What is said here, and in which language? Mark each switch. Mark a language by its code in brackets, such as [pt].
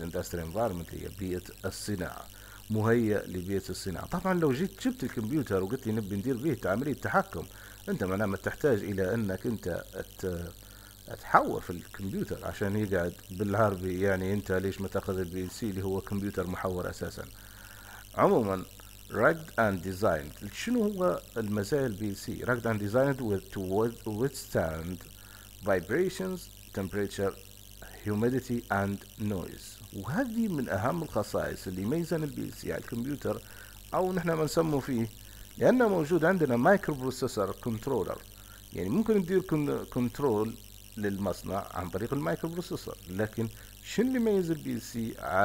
[ar] الاندستري انفايرمنت هي بيئة الصناعة، مهيئة لبيئة الصناعة. طبعا لو جيت جبت الكمبيوتر وقلت لي نبي ندير به عملية تحكم، انت معناها ما تحتاج الى انك انت تحوف الكمبيوتر عشان يقعد. بالعربي يعني انت ليش ما تاخذ البي ال سي اللي هو كمبيوتر محور اساسا. عموما [en] Rugged and designed. [ar] شنو هو المزايا البي سي؟ [en] Rugged and designed to withstand vibrations, temperature, humidity and noise. [ar] وهذه من أهم الخصائص اللي يميزان البي سي على الكمبيوتر، أو نحن ما نسمه فيه، لأنه موجود عندنا مايكرو بروسيسر كنترولر. يعني ممكن ندير كنترول للمصنع عن طريق المايكرو بروسيسر، لكن شنو اللي يميز البي سي